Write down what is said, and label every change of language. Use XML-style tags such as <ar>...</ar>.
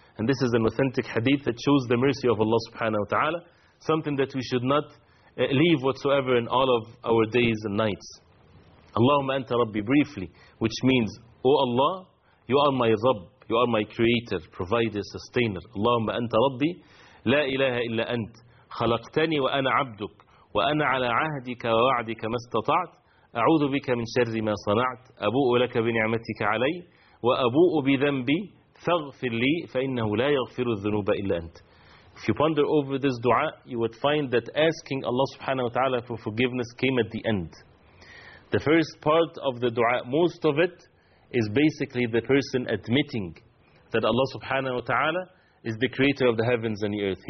<en>And this is an authentic hadith that shows the mercy of Allah subhanahu wa ta'ala, something that we should not leave whatsoever in all of our days and nights.</en> <ar>Allahumma anta Rabbi,</ar> <en>briefly, which means, O Allah, you are my Rabb, You are my creator, provider, sustainer.</en> <ar>اللهم أنت ربي لا إله إلا أنت. خلقتني وأنا عبدك وأنا على عهدك ووعدك ما استطعت. أعوذ بك من شر ما صنعت. أبوء لك بنعمتك علي وأبوء بذنبي فاغفر لي فإنه لا يغفر الذنوب إلا أنت.</ar> <en>If you ponder over this dua, you would find that asking Allah subhanahu wa ta'ala for forgiveness came at the end. The first part of the dua, most of it, is basically the person admitting that Allah subhanahu wa ta'ala is the creator of the heavens and the earth.</en>